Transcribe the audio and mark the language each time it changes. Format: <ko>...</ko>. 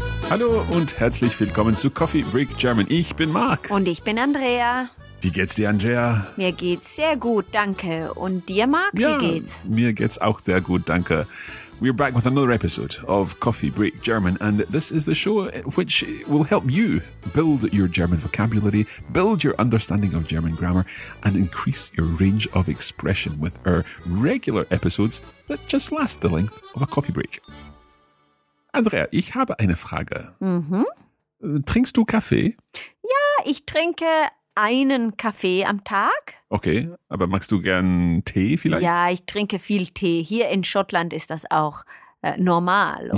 <de>Hallo und herzlich willkommen zu Coffee Break German. Ich bin Marc. Und ich bin Andrea. Wie geht's dir, Andrea? Mir geht's sehr gut, danke. Und dir, Marc, ja, wie geht's? Mir geht's auch sehr gut, danke.</de> <en>We're back with another episode of Coffee Break German, and this is the show which will help you build your German vocabulary, build your understanding of German grammar, and increase your range of expression with our regular episodes that just last the length of a coffee break.</en> <de>Andrea, ich habe eine Frage. Mhm. Trinkst du Kaffee? Ja, ich trinke einen Kaffee am Tag. Okay, aber magst du gern Tee vielleicht? Ja, ich trinke viel Tee. Hier in Schottland ist das auch normal und</de>